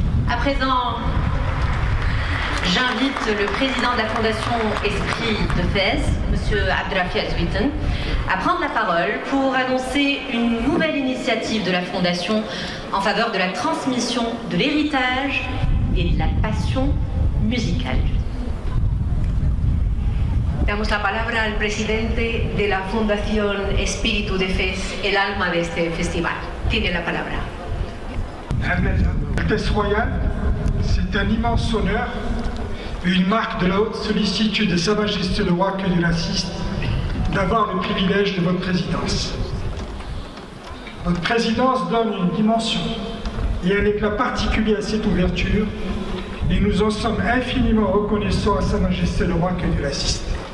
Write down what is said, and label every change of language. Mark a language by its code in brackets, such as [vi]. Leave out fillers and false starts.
[fr] À présent, j'invite le président de la Fondation Esprit de Fès, monsieur Abdelrafi Azouitan, à prendre la parole pour annoncer une nouvelle initiative de la Fondation en faveur de la transmission de l'héritage et de la passion musicale. [es] Damos la palabra al presidente de la Fundación Espíritu de Fez, el alma de este festival. Tiene la palabra. [fr] Altesse Royale, c'est un immense honneur, une marque de la haute sollicitude de Sa Majesté le Roi que Dieu l'assiste, d'avoir le privilège de votre présidence. Votre présidence donne une dimension et un éclat particulier à cette ouverture, et nous en sommes infiniment reconnaissants à Sa Majesté le Roi que Dieu l'assiste.